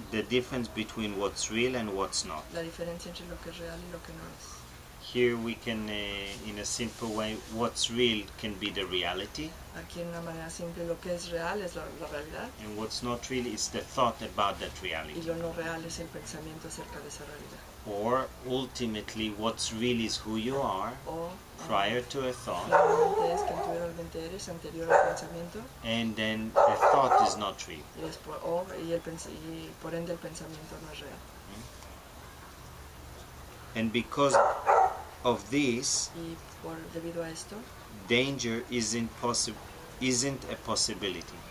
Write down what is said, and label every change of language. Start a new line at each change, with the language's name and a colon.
English: the difference between what's real and what's not.
Spanish: La diferencia entre lo que es real y lo que no es.
English: Here we can, in a simple way, what's real can be the reality.
Spanish: Aquí en una manera simple, lo que es real es la realidad.
English: And what's not real is the thought about that reality.
Spanish: Y lo no real es el pensamiento acerca de esa realidad.
English: Or ultimately, what's real is who you are prior to a thought.
Spanish: Es que tú realmente eres anterior al pensamiento.
English: And then the thought is not real.
Spanish: Y por ende el pensamiento no es real.
English: And because of this,
Spanish: debido a esto,
English: danger isn't a possibility.